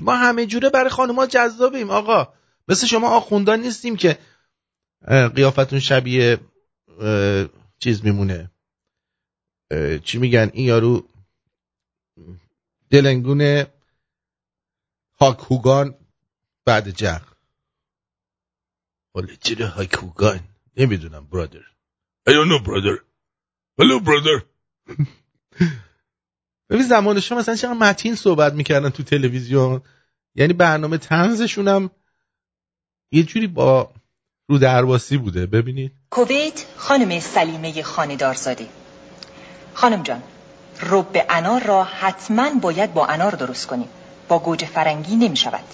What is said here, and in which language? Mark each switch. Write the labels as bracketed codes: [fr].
[fa] ما همه جوره برای خانوما جذابیم آقا، مثل شما آخوندان نیستیم که قیافتون شبیه چیز میمونه، چی میگن این یارو دلنگونه هاکوگان بعد جغ، ولی چرا هاکوگان نمیدونم برادر، [en] I don't know [fa] برادر، [en] hello برادر. [fa] ببین زمان شما مثلا چرا متین صحبت میکردن تو تلویزیون، یعنی برنامه طنزشون هم یه جوری با رو درواسی بوده. ببینید کویت خانم سلیمه خانه‌دارزاده، خانم جان رب انار را حتما باید با انار درست کنیم، با گوجه فرنگی نمیشود.